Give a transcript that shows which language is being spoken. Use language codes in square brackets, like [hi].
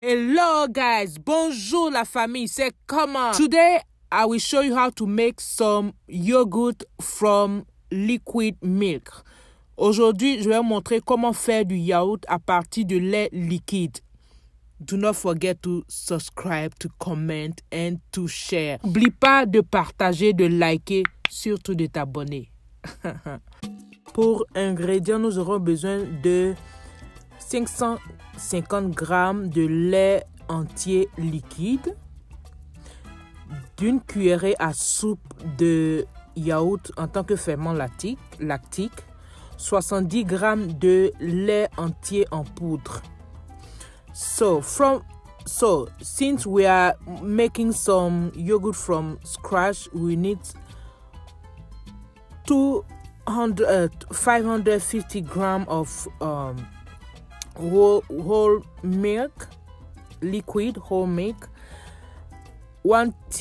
[en] Hello guys, [fr] bonjour la famille, c'est comment? [en] Today, I will show you how to make some yogurt from liquid milk. [fr] Aujourd'hui, je vais vous montrer comment faire du yaourt à partir de lait liquide. [en] Do not forget to subscribe, to comment and to share. [fr] N'oublie pas de partager, de liker, surtout de t'abonner. Pour ingrédients, nous aurons besoin de 550 g de lait entier liquide, d'une cuillerée à soupe de yaourt en tant que ferment lactique, 70 g de lait entier en poudre. [en] So, since we are making some yogurt from scratch, we need 550 g of whole milk, liquid whole milk, 1